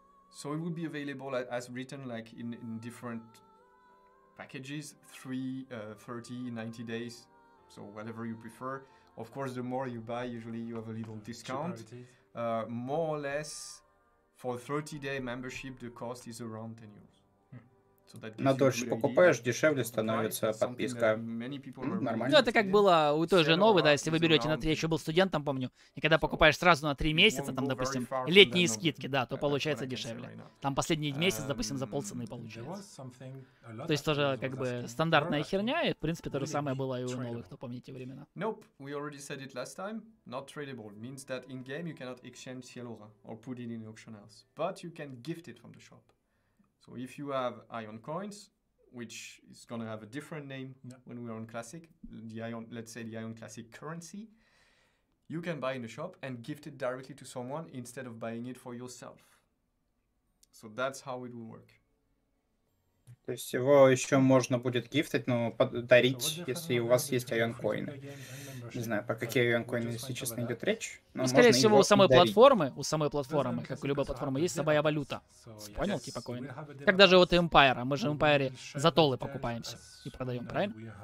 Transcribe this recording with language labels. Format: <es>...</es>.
<en>So it would be available as written, like in different packages, 30, 90 days, so whatever you prefer. Of course, the more you buy, usually you have a little discount. More or less. For 30-day membership, the cost is around 10 euros.</en> <ru>На дольше покупаешь, дешевле становится подписка. Нормально. Ну, это как было у той же Новой, да, если вы берете на 3, я еще был студентом, помню, и когда покупаешь сразу на 3 месяца, там, допустим, летние скидки, да, то получается дешевле. Там последний месяц, допустим, за полцены получается. То есть тоже как бы стандартная херня, и, в принципе, то же самое было и у Новой, кто помнит те времена.</ru> <en>Nope, we already said it last time. Not tradable. Means that in-game you cannot exchange Cielora or put it in auction house. But you can gift it from the shop. So if you have Ion coins, which is going to have a different name when we're on Classic, the Ion, let's say the Ion Classic currency, you can buy in the shop and gift it directly to someone instead of buying it for yourself. So that's how it will work.</en> <ru>То есть его еще можно будет гифтить, но подарить, если у вас есть Ion Coin. Не знаю, про какие Ion Coin, если честно, идет речь. Но ну, скорее всего, у самой платформы, как у любой платформы, есть своя валюта. Понял, типа коин. Как даже вот Empire, мы же в Empire за толы покупаемся и продаем, правильно?</ru>